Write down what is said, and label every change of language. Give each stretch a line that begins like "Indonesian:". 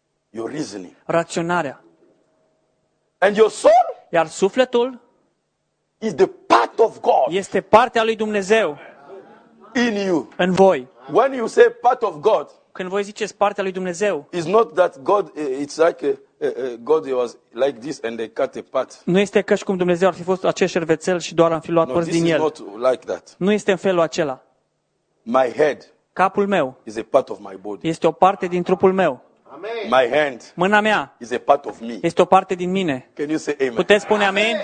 English: Your reasoning,
Romanian: raționarea.
English: And your soul,
Romanian: iar sufletul,
English: is the part of God,
Romanian: este partea lui Dumnezeu.
English: In you,
Romanian: în voi.
English: When you say part of God,
Romanian: când voi ziceți partea lui Dumnezeu,
English: it's not that God, it's like God was like this and they cut a part.
Romanian: Nu este ca și cum Dumnezeu ar fi fost acest șervețel și doar am fi luat părți din el.
English: No, this is not like that.
Romanian: Nu este în felul acela.
English: My head,
Romanian: capul meu,
English: is a part of my body.
Romanian: Este o parte din trupul meu.
English: My hand,
Romanian: mâna mea,
English: is a part of me.
Romanian: Este o parte din mine.
English: Can you say amen?
Romanian: Puteți spune amen?